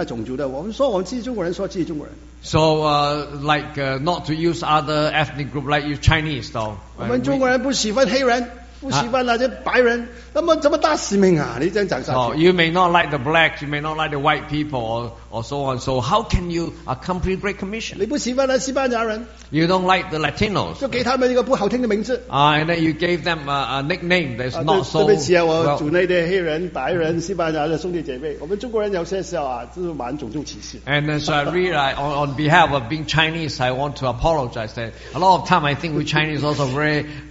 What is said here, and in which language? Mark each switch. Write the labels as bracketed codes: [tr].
[zh] 好像我们中国人举个例说啊，不要埋怨其他种族的，我们说我们自己中国人说自己中国人。 [en] So not to use other ethnic group like you Chinese though. [zh] 我们中国人不喜欢黑人，不喜欢那些白人，那么怎么大使命啊？你这样讲下去。 [en] Oh, you may not like the blacks, you may not like the white people, or so on. So how can you accomplish Great Commission? [zh] 你不喜欢那西班牙人。 [en] You don't like the Latinos. [zh] 就给他们一个不好听的名字。 [en] And then you gave them a nickname that's not so. [zh] 对不起啊，我组内的黑人、白人、西班牙的兄弟姐妹，我们中国人有些时候啊，就是蛮种族歧视。 [en] And then, so I really, on behalf of being Chinese, I want to apologize that a lot of time I think we Chinese also very